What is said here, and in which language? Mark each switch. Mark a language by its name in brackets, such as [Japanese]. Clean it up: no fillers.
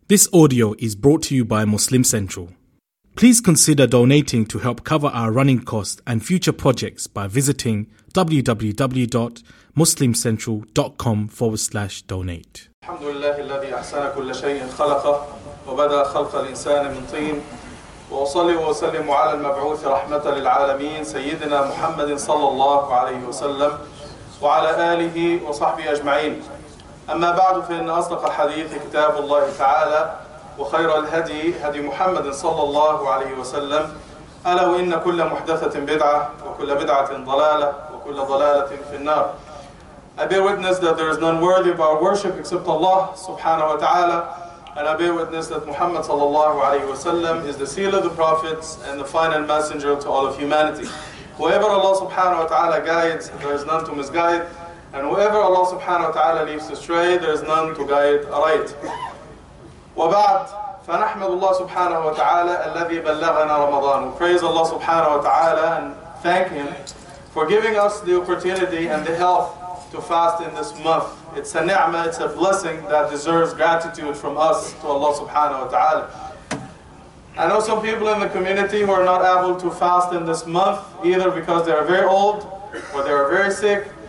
[English] This audio is brought to you by Muslim Central. Please consider donating to help cover our running costs and future projects by visiting www.muslimcentral.com/donate. [Arabic] Alhamdulillah, الذي أحسن كل شيء خلقه وبدأ خلق الإنسان من طين وأصلي وسلم على المبعوث رحمة للعالمين سيدنا محمد صلى الله عليه وسلم وعلى آله وصحبه أجمعين. أما بعد فإن أصدق الحديث كتاب الله تعالى وخير الهدي هدي محمد صلى الله عليه وسلم ألا وإن كل محدثة بدعة وكل بدعة ضلالة وكل ضلالة في النار. [English] I bear witness that there is none worthy of our worship except Allah subhanahu wa ta'ala, and I bear witness that Muhammad [Arabic] صلى الله عليه وسلم [English] is the seal of the prophets and the final messenger to all of humanity. Whoever Allah subhanahu wa ta'ala guides, there is none to misguide. And whoever Allah subhanahu wa ta'ala leaves astray, there is none to guide aright. [Arabic] وبعد فنحمد الله سبحانه وتعالى الذي بلغنا رمضان. [English] We praise Allah subhanahu wa ta'ala and thank Him for giving us the opportunity and the health to fast in this month. It's a ni'mah, it's a blessing that deserves gratitude from us to Allah subhanahu wa ta'ala. I know some people in the community who are not able to fast in this month, either because they are very old or they are very sick.